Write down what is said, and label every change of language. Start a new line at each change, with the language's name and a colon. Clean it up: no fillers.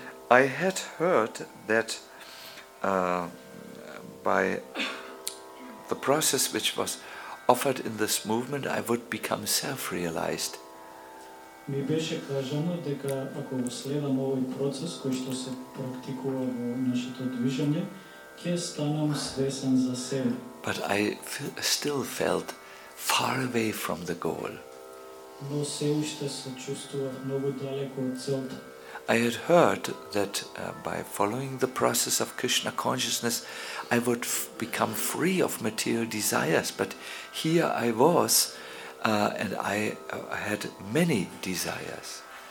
English: I had heard that by the process which was offered in this movement, I would become self-realized.
Macedonian: Ми беше кажано дека ако го следам овој процес кој што се практикува во нашето движење, ќе станам свесен за себе.
English: But I still felt far away from the goal.
Macedonian: Но се уште се чувствував многу далеко од целта.
English: I had heard that by following the process of Krishna consciousness, I would become free of material desires, but here I was. And I had many desires.